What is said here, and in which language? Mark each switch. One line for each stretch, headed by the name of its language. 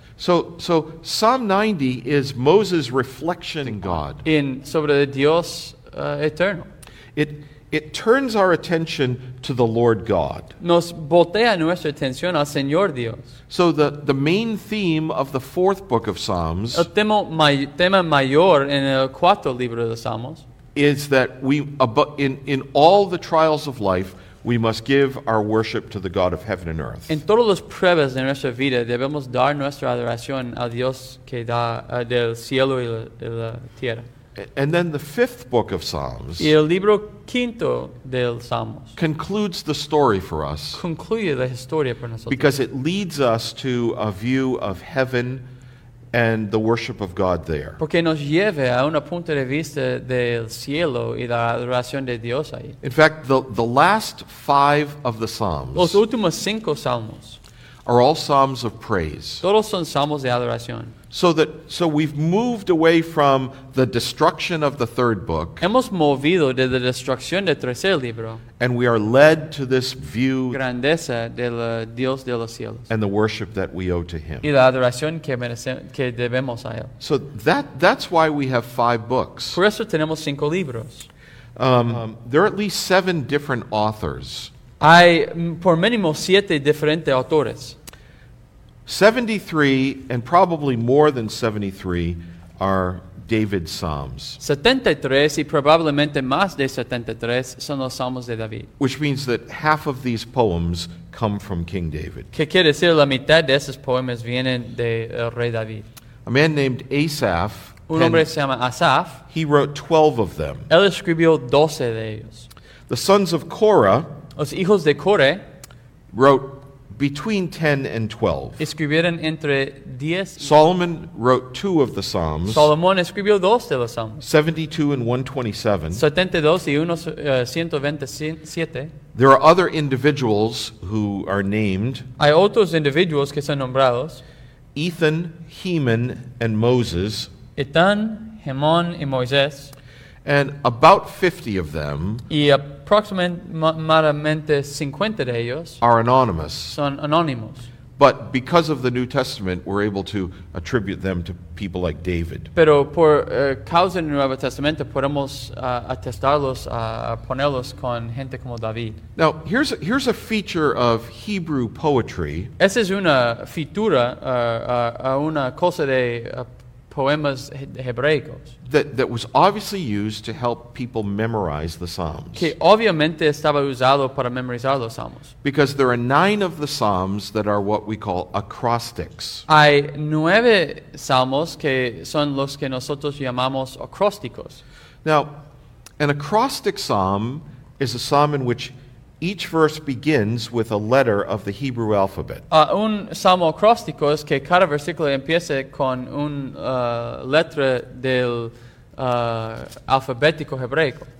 English: So Psalm 90 is Moses' reflection in God.
Spanish: En sobre Dios eterno.
English: It turns our attention to the Lord God.
Spanish: Nos voltea nuestra atención al Señor Dios.
English: So the main theme of the fourth book of Psalms,
Spanish: el tema mayor en el cuarto libro de Salmos,
English: is that we in all the trials of life, we must give our worship to the God of heaven and earth.
Spanish: En todas las pruebas de nuestra vida, debemos dar nuestra adoración al Dios que da del cielo y la tierra.
English: And then the fifth book of Psalms.
Spanish: Y el libro quinto del Salmos.
English: Concludes the story for us.
Spanish: Concluye la historia para nosotros.
English: Because it leads us to a view of heaven and the worship of God there.
Spanish: Porque nos lleva a un punto de vista del cielo y la adoración de Dios ahí.
English: In fact, the last five of the Psalms.
Spanish: Los últimos cinco Salmos.
English: Are all psalms of praise.
Spanish: Todos son salmos de adoración.
English: So we've moved away from the destruction of the third book.
Spanish: Hemos movido de la destrucción del tercer libro.
English: And we are led to this view.
Spanish: Grandeza del Dios de los cielos.
English: And the worship that we owe to Him.
Spanish: Y la adoración que debemos a él.
English: So that's why we have five books.
Spanish: Por eso tenemos cinco libros.
English: There are at least seven different authors.
Spanish: Hay por mínimo siete diferentes autores.
English: 73 and probably more than 73 are David's Psalms.
Spanish: 73 y probablemente más de 73 son los Salmos de David.
English: Which means that half of these poems come from King David.
Spanish: ¿Qué quiere decir? La mitad de esos poemas vienen de el rey David.
English: A man named Asaph.
Spanish: Un hombre se llama Asaph.
English: He wrote 12 of them.
Spanish: Él escribió 12 de ellos.
English: The sons of Korah.
Spanish: Los hijos de Coré
English: wrote between 10 and 12.
Spanish: Escribieron entre 10.
English: Solomon wrote two of the Psalms.
Spanish: Solomón escribió dos de los Salmos.
English: 72 and 127.
Spanish: 72 y 127.
English: There are other individuals who are named.
Spanish: Hay otros individuos que son nombrados.
English: Ethan, Heman, and Moses.
Spanish: Ethan, Heman, y Moisés.
English: And about 50 of them.
Spanish: Y
English: approximately
Spanish: 50 de ellos
English: are anonymous.
Spanish: Son anónimos.
English: But because of the New Testament, we're able to attribute them to people like David.
Spanish: Pero por causa del Nuevo Testamento podemos atestarlos a ponerlos con gente como David.
English: Now, here's a feature of Hebrew poetry.
Spanish: Esa es una
English: feature,
Spanish: una cosa de poemas hebraicos.
English: That was obviously used to help people memorize the Psalms.
Spanish: Que obviamente estaba usado para memorizar los Salmos.
English: Because there are nine of the Psalms that are what we call acrostics.
Spanish: Hay nueve Salmos que son los que nosotros llamamos acrósticos.
English: Now, an acrostic Psalm is a Psalm in which each verse begins with a letter of the Hebrew alphabet.
Spanish: Un salmo acróstico es que cada versículo empiece con una letra del alfabético hebraico.